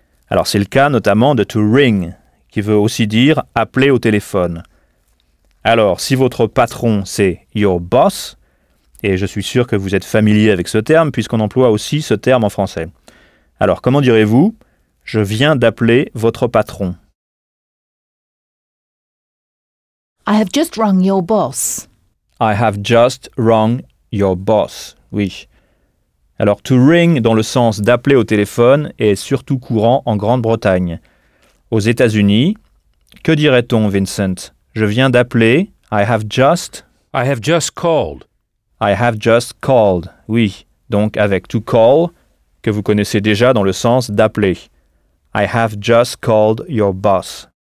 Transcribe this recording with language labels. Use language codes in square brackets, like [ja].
[fr] Alors, c'est le cas notamment de « to ring », qui veut aussi dire « appeler au téléphone ». Alors, si votre patron, c'est « your boss », et je suis sûr que vous êtes familier avec ce terme, puisqu'on emploie aussi ce terme en français. Alors, comment direz-vous « je viens d'appeler votre patron »? [en] I have just rung your boss. I have just rung your boss, oui. [fr] Alors, « to ring » dans le sens d'appeler au téléphone est surtout courant en Grande-Bretagne. Aux États-Unis, que dirait-on, Vincent ? Je viens d'appeler, [en] I have just called. I have just called, oui. [fr] Donc avec to call, que vous connaissez déjà dans le sens d'appeler. [en] I have just called your boss.